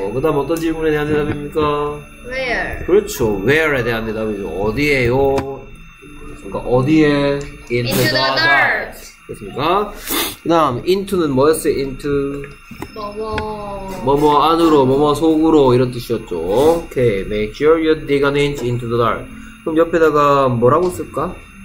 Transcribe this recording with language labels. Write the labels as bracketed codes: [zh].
[ko] 그 다음 어떤 질문에 대한 대답입니까? [en] Where. [ko] 그렇죠. Where에 대한 대답이죠. 어디에요? 그러니까 어디에? [en] Into the dirt. [ko] 그렇습니까? 그 다음 into는 뭐였어요? into 뭐뭐 뭐뭐 안으로 뭐뭐 속으로 이런 뜻이었죠. [en] Okay. Make sure you dig an inch into the dirt. [ko] 그럼 옆에다가 뭐라고 쓸까?